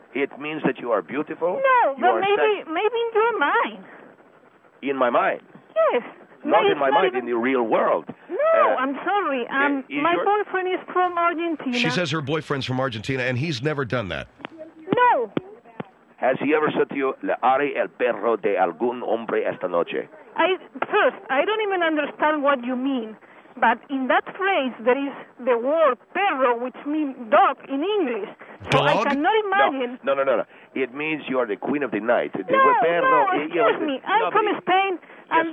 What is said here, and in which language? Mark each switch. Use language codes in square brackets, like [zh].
[en] It means that you are beautiful. No, but maybe in your mind. In my mind? Yes. not in my not mind, even... in the real world. No, I'm sorry. My boyfriend is from Argentina. She says her boyfriend's from Argentina, and he's never done that. No. Has he ever said to you, [es] "Le haré el perro de algún hombre esta noche"? [en] I don't even understand what you mean. But in that phrase, there is the word perro, which means dog in English. Dog? So I cannot imagine. No. It means you are the queen of the night. The no, perro, no, excuse me. I'm from Spain, and